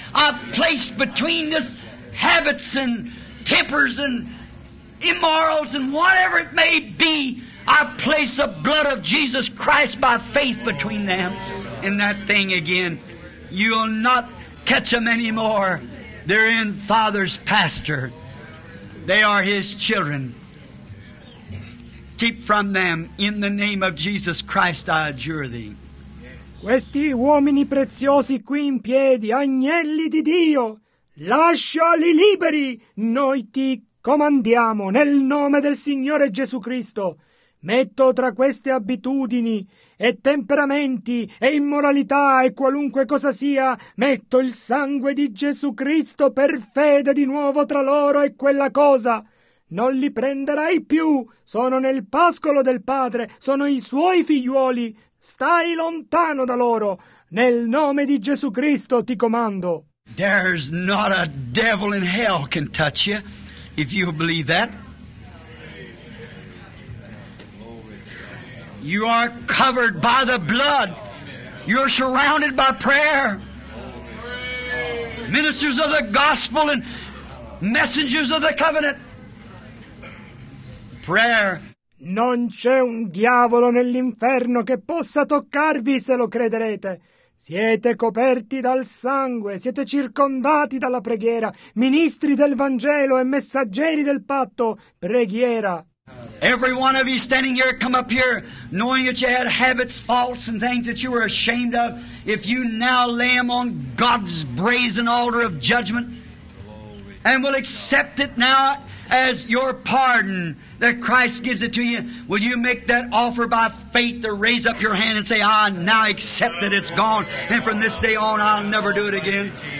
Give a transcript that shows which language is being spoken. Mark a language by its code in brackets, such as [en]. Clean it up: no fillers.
[en] I place between this habits and tempers and immorals and whatever it may be, I place the blood of Jesus Christ by faith between them and that thing again. You'll not catch them anymore. They're in Father's pasture. They are His children. Keep from them. In the name of Jesus Christ, I adjure thee. [it] Questi uomini preziosi qui in piedi, agnelli di Dio, lasciali liberi. Noi ti comandiamo nel nome del Signore Gesù Cristo. Metto tra queste abitudini e temperamenti e immoralità e qualunque cosa sia, metto il sangue di Gesù Cristo per fede di nuovo tra loro e quella cosa. Non li prenderai più, sono nel pascolo del Padre, sono i suoi figliuoli, stai lontano da loro. Nel nome di Gesù Cristo ti comando. [en] There's not a devil in hell can touch you, if you believe that. You are covered by the blood. You're surrounded by prayer. Ministers of the gospel and messengers of the covenant. Prayer. [it] Non c'è un diavolo nell'inferno che possa toccarvi se lo crederete. Siete coperti dal sangue, siete circondati dalla preghiera, ministri del Vangelo e messaggeri del patto, preghiera. [en] Every one of you standing here, come up here, knowing that you had habits, faults, and things that you were ashamed of. If you now lay them on God's brazen altar of judgment, and will accept it now as your pardon that Christ gives it to you, will you make that offer by faith to raise up your hand and say, I now accept that it's gone, and from this day on I'll never do it again?